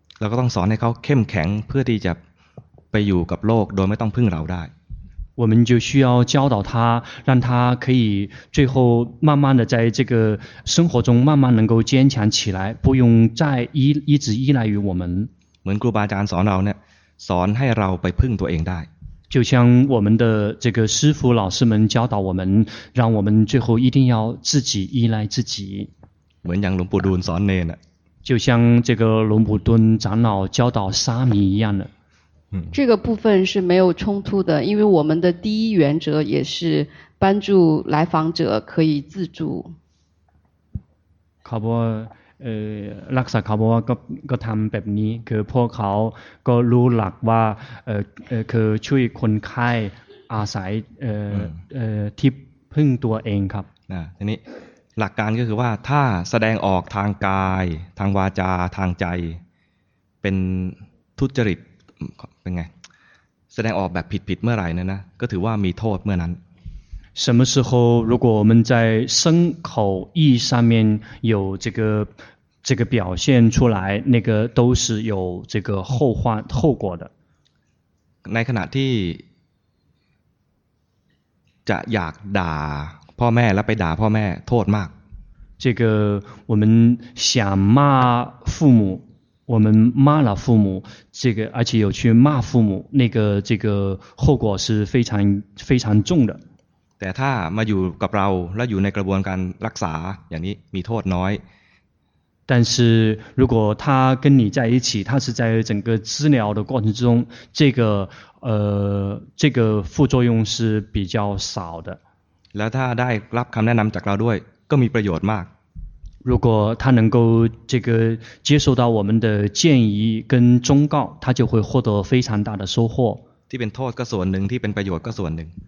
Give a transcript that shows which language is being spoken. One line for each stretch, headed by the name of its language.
Thai: แล้วก็ต้องสอนให้เขาเข้มแข็งเพื่อที่จะไปอยู่กับโลกโดยไม่ต้องพึ่งเราได้
Chinese: 我们就需要教导他让他可以最后慢慢的在这个生活中慢慢能够坚强起来不用再一直依赖于我们
Thai: เหมือนครูบาอาจารย์สอนเราเนี่ยสอนให้เราไปพึ่งตัวเองได้
Chinese: 就像我们的这个师父老师们教导我们让我们最后一定要自己依赖自己
Thai: เหมือนอย่างหลวงปู่ดูลย์สอนเนน
Chinese: 就像这个龙普敦长老教导沙弥一样的。这个部分是没有冲突的，因为我们的第一原则也是帮助来访者可以自助。
Thai: เขาบอกลักษณะเขาบอกว่าก็ทำแบบนี้คือพวกเขาก็รู้หลักว่าคือช่วยคนไข้อาศัยที่พึ่งตัวเองครับ นะทีนี้หลักการก็คือว่าถ้าแสดงออกทางกายทางวาจาทางใจเป็นทุจริตเป็นไงแสดงออกแบบผิดๆเมื่อไหร่นะก็ถือว่ามีโทษเมื่อนั้น
Chinese: 什么时候如果我们在身口意上面有这个表现出来那个都是有这个后果的
Thai: ในขณะที่จะอยากด่าพ่อแม่แล้วไปด่าพ่อแม่โทษมาก
Chinese: 这个我们想骂父母我们骂了父母这个而且有去骂父母那个这个后果是非常非常重的
Thai: แต่ถ้ามาอยู่กับเราและอยู่ในกระบวนการรักษาอย่างนี้มีโทษน้อย
Chinese: 但是如果他跟你在一起他是在整个治疗的过程中这个副作用是比较少的
Thai: แล้วถ้าได้รับคำแนะนำจากเราด้วยก็มีประโยชน์มาก
Chinese: 如果他能够这个接受到我们的建议跟忠告他就会获得非常大的收获
Thai: ที่เป็นโทษก็ส่วนหนึ่งที่เป็นประโยชน์ก็ส่วนหนึ่ง